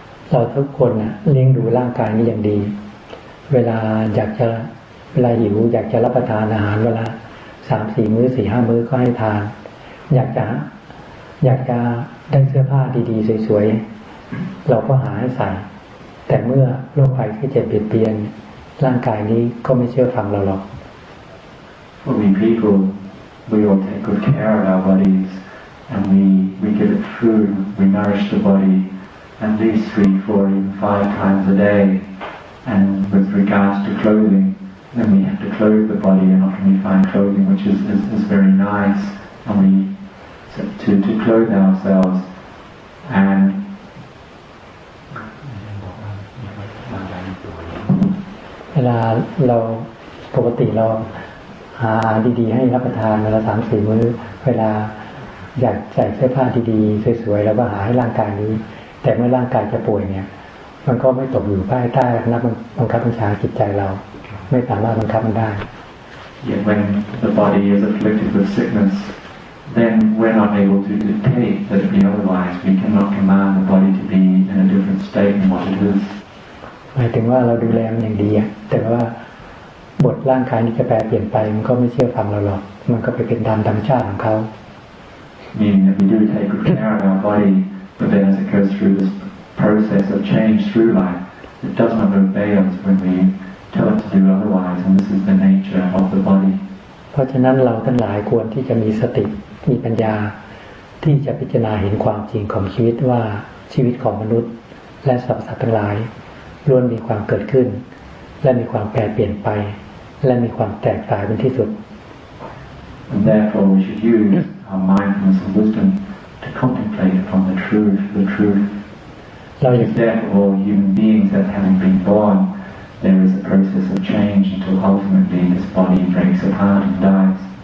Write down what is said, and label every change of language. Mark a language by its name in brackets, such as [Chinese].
[Thai] เราทุกคนนะเลี้ยงดูร่างกายนี้อย่างดีเวลาอยากจะเวลาหิวอยากจะรับประทานอาหารเวลา 3-4 มื้อ 4-5 มื้อก็ให้ทานอยากจะได้เสื้อผ้าดีๆสวยๆเราก็หาให้ใส่แต่เมื่อโรคภัยไข้เจ็บเปลี่ยนร่างกายนี้ก็ไม่เชื่อฟังเราหรอก [English] For many people we all take good care of our bodiesAnd we give it food, we nourish the body at least 3, 4, 5 times a day. And with regards to clothing, then we have to clothe the body and often we find clothing which is very nice. And we to clothe ourselves. And [Thai] เวลาเราปกติเราหาอาหารดีๆให้รับประทานเวลา 3-4 มื้อเวลาอยากใส่เสื้อผ้าดีๆสวยๆแล้วก็หาให้ร่างกายนี้แต่เมื่อร่างกายจะป่วยเนี่ยมันก็ไม่ตกอยู่ภายใต้นักบังคับบัญชาจิตใจเราไม่สามารถบังคับมันได้ [English] Yet when the body is afflicted with sickness then we're not able to dictate that it be otherwise we cannot command the body to be in a different state than what it is [Thai] หมายถึงว่าเราดูแลมันอย่างดีแต่ว่าบทร่างกายนี้จะแปรเปลี่ยนไปมันก็ไม่เชื่อฟังเราหรอกมันก็ไปเป็นตามธรรมชาติของเขา [English] Meaning that we do take good care of our body, but then as it goes through this process of change through life, it does not obey us when we tell it to do otherwise, and this is the nature of the body. [Thai] เพราะฉะนั้นเราทั้งหลายควรที่จะมีสติมีปัญญาที่จะพิจารณาเห็นความจริงของชีวิตว่าชีวิตของมนุษย์และสรรพสัตว์ทั้งหลายล้วนมีความเกิดขึ้นและมีความแปรเปลี่ยนไปและมีความแตกต่างเป็นที่สุด [English] And therefore we should useOur mindfulness and wisdom to contemplate upon the truth. Therefore, all human beings that having been born, there is a process of change until ultimately this body breaks apart and dies.